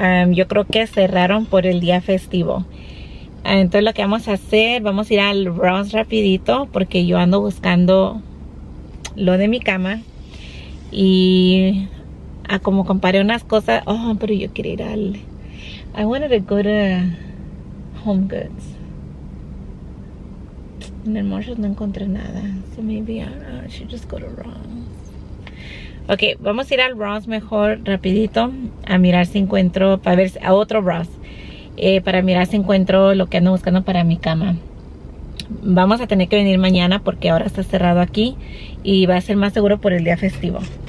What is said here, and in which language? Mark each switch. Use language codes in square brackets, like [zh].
[es] Yo creo que cerraron por el día festivo. Entonces lo que vamos a hacer, vamos a ir al Ross rapidito porque yo ando buscando lo de mi cama. Y como comparé unas cosas, oh, pero yo quería ir al... [en] I wanted to go to Home Goods. [es] En el Marshalls no encontré nada. [en] So maybe I should just go to Ross. [es] Ok, vamos a ir al Ross mejor rapidito a mirar si encuentro, para ver a otro Ross. Para mirar si encuentro lo que ando buscando para mi cama. Vamos a tener que venir mañana porque ahora está cerrado aquí y va a ser más seguro por el día festivo.